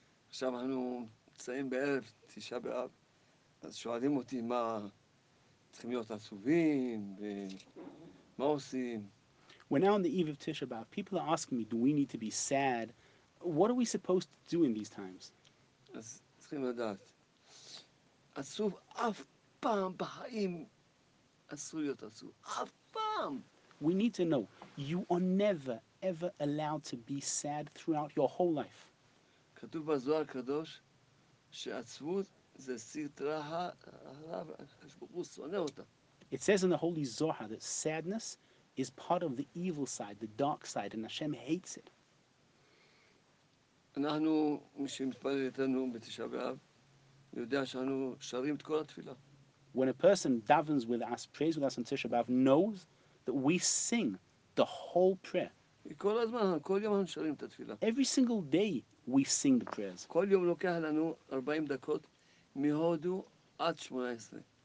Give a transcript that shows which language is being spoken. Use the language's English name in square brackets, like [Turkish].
[Hebrew] עכשיו אנחנו מצאים בערב תשעה באב, אז שואלים אותי מה צריכים להיות עצובים ומה עושים. [English] We're now on the eve of Tisha B'Av. People are asking me, do we need to be sad? What are we supposed to do in these times? [Hebrew] אז צריכים לדעת. עצוב אף פעם בחיים אסור להיות עצוב. אף פעם! [English] We need to know, you are never, ever allowed to be sad throughout your whole life. [Hebrew] כתוב בזוהר הקדוש שעצבות זה סטרה הרב, הוא שונא אותה. [English] It says in the Holy Zohar that sadness is part of the evil side, the dark side, and Hashem hates it. [Hebrew] אנחנו, מי שמתפלל איתנו בתשעה באב, יודע שאנחנו שרים את כל התפילה. [English] When a person davens with us, prays with us on Tisha B'Av, knows that we sing the whole prayer. [Hebrew] כל הזמן, כל יום אנחנו שרים את התפילה. [English] Every single day, we sing the prayers. [Hebrew] כל יום לוקח לנו 40 דקות מהודו עד 18.